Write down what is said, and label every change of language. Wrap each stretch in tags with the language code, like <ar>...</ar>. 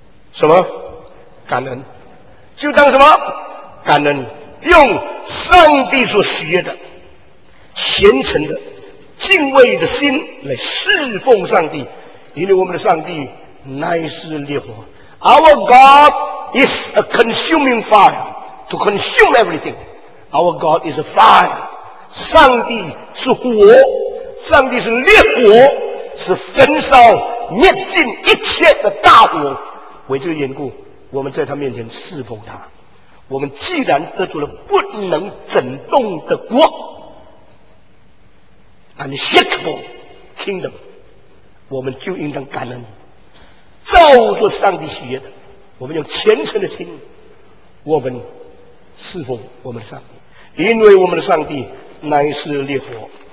<zh>什么感恩，就当什么感恩，用上帝所喜悦的虔诚的敬畏的心来侍奉上帝，因为我们的上帝乃是烈火。</zh> <en>Our God is a consuming fire to consume everything. Our God is a fire.</en> <zh>上帝是火，上帝是烈火，是焚烧灭尽一切的大火。为这个缘故，我们在他面前侍奉他。我们既然得罪了不能震动的国， Unshakable kingdom，我们就应当感恩，照着上帝喜悦的，我们用虔诚的心，我们侍奉我们的上帝，因为我们的上帝乃是烈火。</zh>